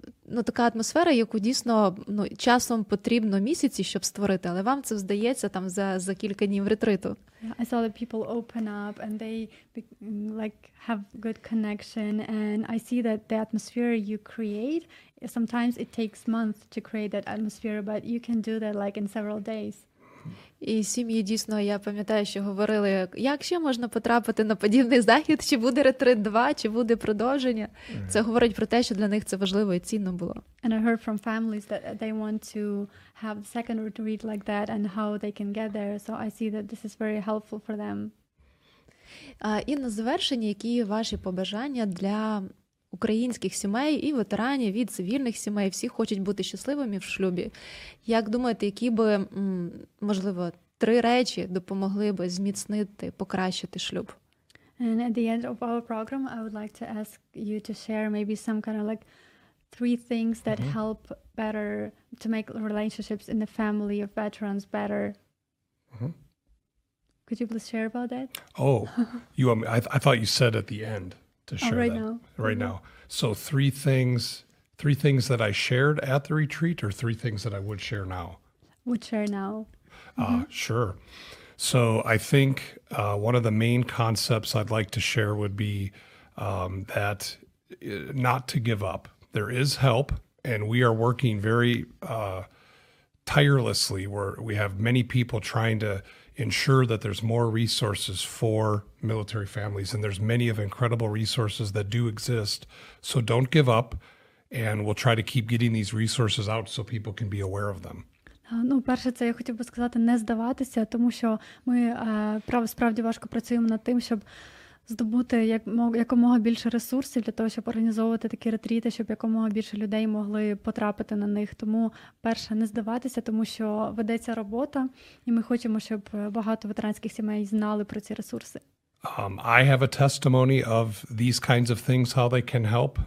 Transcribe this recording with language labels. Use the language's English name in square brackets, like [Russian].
[Ukrainian] Ну, така атмосфера, яку дійсно, ну, часом потрібно місяці, щоб створити, але вам це здається там за кілька днів ретриту. [English] I saw that people open up and they like have good connection and I see that the atmosphere you create, sometimes it takes months to create that atmosphere, but you can do that like in several days. [Ukrainian] І сім'ї дійсно, я пам'ятаю, що говорили, як ще можна потрапити на подібний захід, чи буде ретрит 2, чи буде продовження. Це говорить про те, що для них це важливо і цінно було. [English] And I heard from families that they want to have the second retreat like that and how they can get there. So I see that this is very helpful for them. [Ukrainian] І на завершення, які ваші побажання для українських сімей і ветеранів, і цивільних сімей, всі хочуть бути щасливими в шлюбі. Як думаєте, які би, можливо, три речі допомогли би зміцнити, покращити шлюб? [English] And at the end of our program, I would like to ask you to share maybe some kind of like three things that help better to make relationships in the family of veterans better. Could you please share about that? Oh, you want me, I thought you said at the end. To share right now. So three things that I shared at the retreat or three things that I would share now? Would share now. Sure. So I think one of the main concepts I'd like to share would be that not to give up. There is help and we are working very tirelessly. We have many people trying to ensure that there's more resources for military families. And there's many of incredible resources that do exist. So don't give up. And we'll try to keep getting these resources out so people can be aware of them. [Ukrainian] Ну, перше, це я хотів би сказати, не здаватися, тому що ми справді важко працюємо над тим, щоб здобути якомога більше ресурсів для того, щоб організовувати такі ретріти, щоб якомога більше людей могли потрапити на них. Тому перше, не здаватися, тому що ведеться робота, і ми хочемо, щоб багато ветеранських сімей знали про ці ресурси. [English] I have a testimony of these kinds of things, how they can help.